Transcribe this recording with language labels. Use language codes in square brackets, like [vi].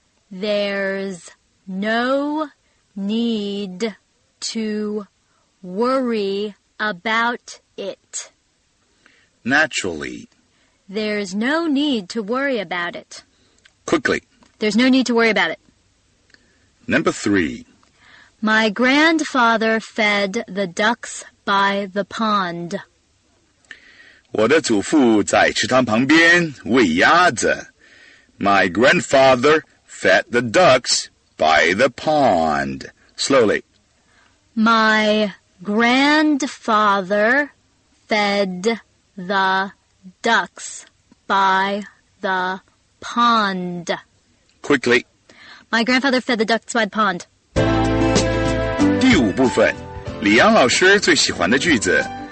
[en] There's no need to worry about it. Naturally. There's no need to worry about it. Quickly. There's no need to worry about it. Number 3. My grandfather fed the ducks by the pond. [zh] 我的祖父在池塘旁边喂鸭子。 [en] My grandfather fed the ducks by the pond. Slowly. My grandfather fed the ducks by the pond. Quickly. My grandfather fed the ducks by the pond. [zh] 第五部分，李阳老师最喜欢的句子。